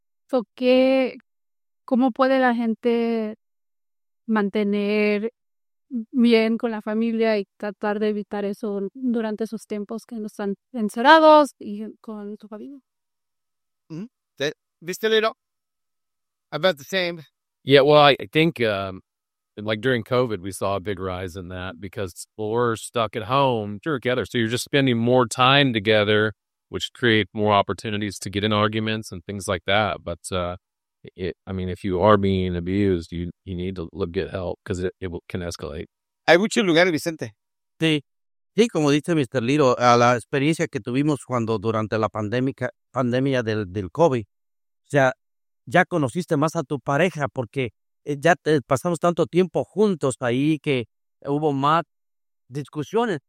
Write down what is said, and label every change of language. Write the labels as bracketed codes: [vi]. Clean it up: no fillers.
[es] So, ¿cómo puede la gente mantener bien con la familia y tratar de evitar eso durante esos tiempos que no están encerrados y con su familia? ¿Viste, [en] Lilo? About the same. Yeah, well, I think like during COVID, we saw a big rise in that because we're stuck at home, you're together, so you're just spending more time together, which create more opportunities to get in arguments and things like that. But if you are being abused, you need to get help because it can escalate. [es] Hay muchos lugares, Vicente. Sí, como dice Mr. Lilo, a la experiencia que tuvimos cuando durante la pandemia del COVID. sea, ya conociste más a tu pareja porque ya te pasamos tanto tiempo juntos ahí que hubo más discusiones.